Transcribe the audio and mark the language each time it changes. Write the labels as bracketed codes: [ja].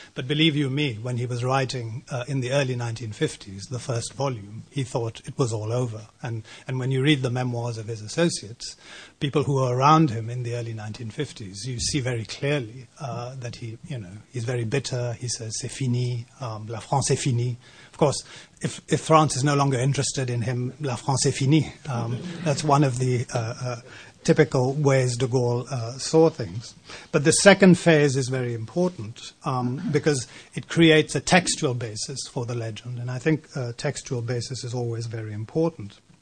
[en] But believe you me, when he was writing in the early 1950s, the first volume, he thought it was all over. And when you read the memoirs of his associates, people who are around him in the early 1950s, you see very clearly that he, you know, he's very bitter. He says, [fr] c'est fini, la France est finie. [en] Of course, if France is no longer interested in him, [fr] la France est finie. [en] That's one of the typical ways de Gaulle saw things. But the second phase is very important because it creates a textual basis for the legend, and I think a textual basis is always very important.